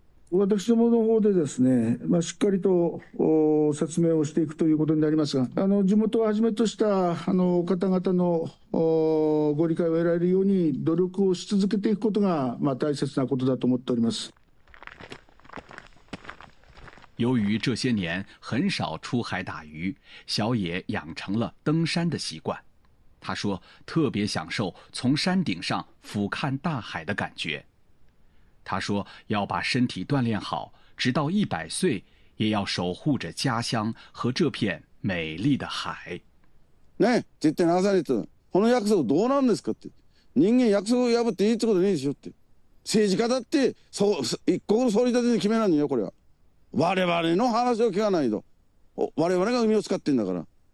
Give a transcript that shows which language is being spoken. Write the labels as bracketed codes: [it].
[ja] 私どもの方でですね、まあ、しっかりと説明をしていくということになりますが、地元をはじめとした方々のご理解を得られるように努力をし続けていくことが、まあ、大切なことだと思っております。 [zh] 由于这些年很少出海打鱼，小野养成了登山的习惯。他说特别享受从山顶上俯瞰大海的感觉。他说要把身体锻炼好，直到100岁也要守护着家乡和这片美丽的海。 [ja] ね、絶対流されてる。この約束どうなんですかって。人間約束破っていいってことねえでしょって。政治家だって、そう、一国の総理大臣に決めないよ、これは。我々の話を聞かないと。我々が海を使ってんだから。